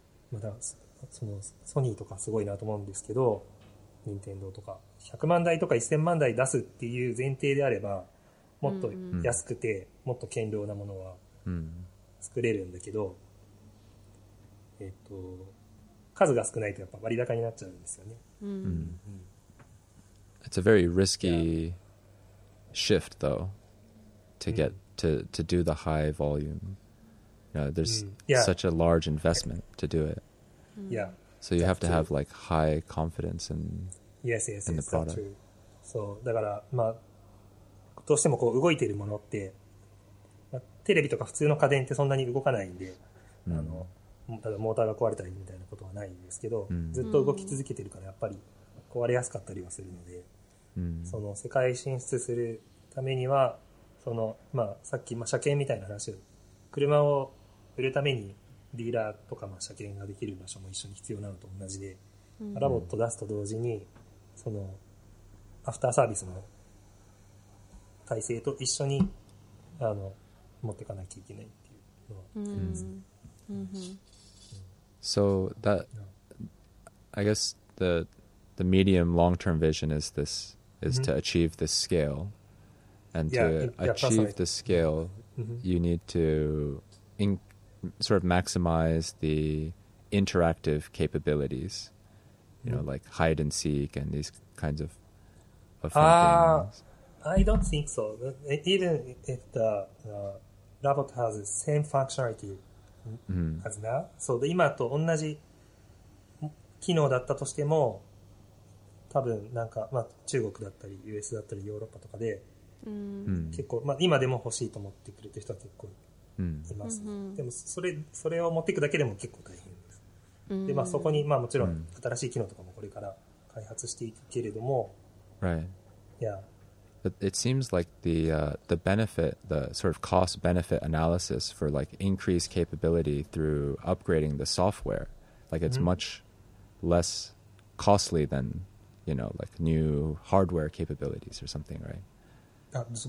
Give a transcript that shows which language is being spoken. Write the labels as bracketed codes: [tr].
[ja] まだそのソニーとかすごいなと思うんですけど、任天堂とか100万台とか1000万台出すっていう前提であればもっと安くてもっと堅牢なものは作れるんだけど、数が少ないとやっぱ割高になっちゃうんですよね。 [en] It's a very risky shift though to get to do the high volumeYou know, there's such a large investment to do it. Yeah. So you have to have like high confidence in, yes, in the product. Yes, that's true. [ja] So, だから、まあ、どうしてもこう動いているものって、まあ、テレビとか普通の家電ってそんなに動かないんで、ただモーターが壊れたりみたいなことはないんですけど、うん、ずっと動き続けてるからやっぱり壊れやすかったりはするので、うん、その世界進出するためにはその、まあ、さっき、まあ、車検みたいな話を車を売るためにディーラーとか、まあ、車検ができる場所も一緒に必要なのと同じで、うん、ラボット出すと同時にそのアフターサービスの体制と一緒にあの持っていかなきゃいけないっていうのはありますね。 [en] So that, I guess the medium long term vision is this, is to achieve this scale, and to achieve the scale, you need to sort of maximize the interactive capabilities, you know, like hide and seek and these kinds of things. I don't think so. Even if the robot has the same functionality. Mm-hmm. As now. [ja] So, the 今と同じ機能だったとしても、多分なんか、まあ、中国だったり、US だったり、ヨーロッパとかで、 mm-hmm. 結構、まあ、今でも欲しいと思ってくれてる人は結構います。 Mm-hmm. でも、それを持っていくだけでも結構大変です。 Mm-hmm. で、まあ、そこに、まあ、もちろん、新しい機能とかもこれから開発していくけれども、 [en] Right. Yeah. But it seems like the benefit, the sort of cost benefit analysis for like increased capability through upgrading the software, like it's much less costly than, you know, like new hardware capabilities or something, right?